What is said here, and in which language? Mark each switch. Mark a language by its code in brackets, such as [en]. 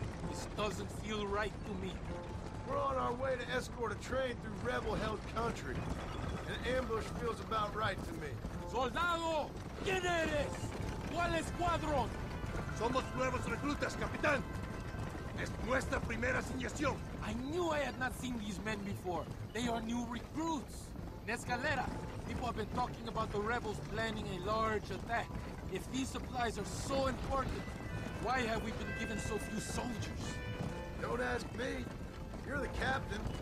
[en] This doesn't feel right to me. We're on our way to escort a train through rebel-held country. An ambush feels about right to me. [es] Soldado! ¿Quién eres? ¿Cuál escuadrón? Somos nuevos reclutas, capitán. Es nuestra primera asignación. [en] I knew I had not seen these men before. They are new recruits. Nescalera, people have been talking about the rebels planning a large attack. If these supplies are so important, why have we been given so few soldiers? Don't ask me. You're the captain.